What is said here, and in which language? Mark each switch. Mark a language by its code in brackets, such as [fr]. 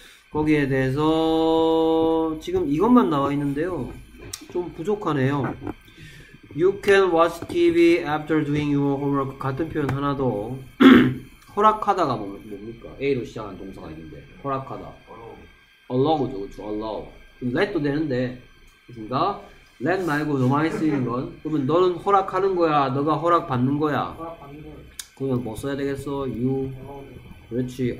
[ko] 거기에 대해서 지금 이것만 나와 있는데요 좀 부족하네요. [en] You can watch TV after doing your homework. [ko] 같은 표현 하나 더. 허락하다가 뭡니까? A로 시작하는 동사가 있는데. 허락하다. Allow죠. 그렇죠. Allow. Let도 되는데. 그렇습니까? Let 말고 너 많이 쓰이는 건. 그러면 너는 허락하는 거야. 너가 허락 받는 거야. 그러면 뭐 써야 되겠어? You. 그렇지.